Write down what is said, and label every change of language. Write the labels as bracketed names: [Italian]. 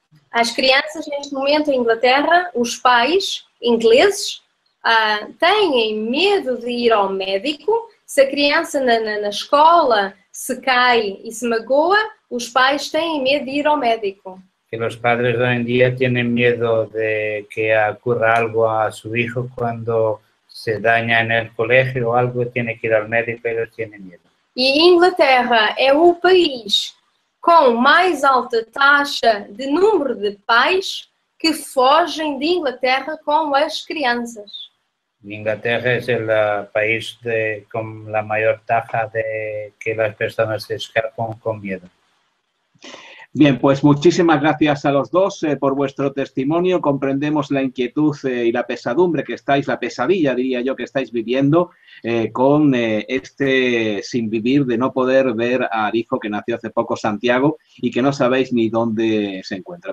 [Portuguese] As crianças neste momento em Inglaterra, os pais ingleses têm medo de ir ao médico. Se a criança na escola se cai e se magoa, os pais têm medo de ir ao médico. Que os padres hoje em dia têm medo de que ocorra algo a seu filho quando [Spanish] se daña en el colegio o algo, tiene que ir al médico y tiene miedo. [Portuguese] E Inglaterra é o país com mais alta taxa de número de pais que fogem de Inglaterra com as crianças. Inglaterra é o país de, com a maior taxa de que as pessoas se escapam com medo. [Spanish] Bien, pues muchísimas gracias a los dos por vuestro testimonio. Comprendemos la inquietud y la pesadumbre que estáis, la pesadilla diría yo, que estáis viviendo con este sin vivir de no poder ver al hijo que nació hace poco, Santiago, y que no sabéis ni dónde se encuentra.